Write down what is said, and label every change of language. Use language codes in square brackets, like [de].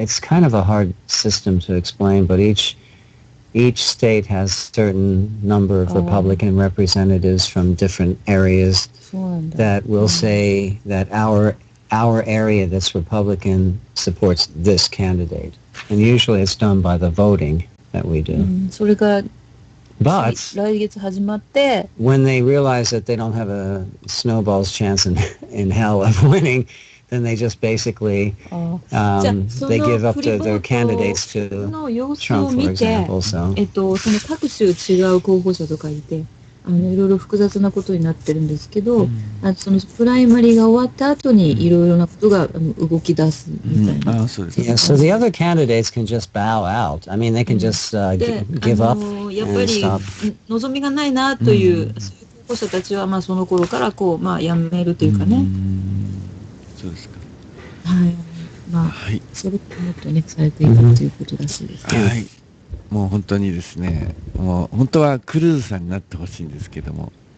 [en] It's kind of a hard system to explain, but each state has certain number of Republican representatives from different areas that will say that our area that's Republican supports this candidate. And usually it's done by the voting that we do. [ja] それが [en] But [ja] 来月始まって [en] when they realize that they don't have a snowball's chance in hell of winning, then they just basically they give up to their candidates to Trump, for example. So, [ja] その各州違う候補者とかいて、いろいろ複雑なことになってるんですけど、そのプライマリーが終わった後にいろいろなことが動き出すみたいな。あ、そうです。 [en] Yeah, so the other candidates can just bow out. I mean, they can just give up and stop. [ja] やっぱり望みがないなという候補者たちは、まあその頃からこう、まあやめるというかね。そうですか。はい。まあ、はい、それをもっとね、されていくということらしいですね。はい。もう本当にですね、もう本当はクルーズさんになってほしいんですけども。